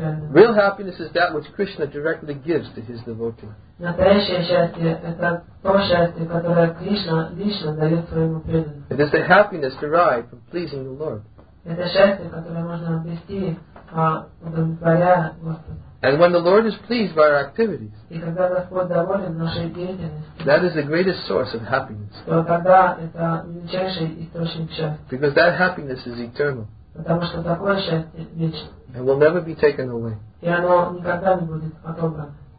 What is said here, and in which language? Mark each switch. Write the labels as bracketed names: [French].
[English] Real happiness is that which Krishna directly gives to his devotee. It is the happiness derived from pleasing the Lord. [Russian] Это счастье, которое можно обрести, удовлетворяя Господа. [English] And when the Lord is pleased by our activities, [Russian] и когда Господь доволен нашей деятельностью, [English] that is the greatest source of happiness. [Russian] То тогда это величайший источник счастья. [English] Because that happiness is eternal. [Russian] Потому что такое счастье вечно. [English] And will never be taken away. [Russian] И оно никогда не будет отобрано.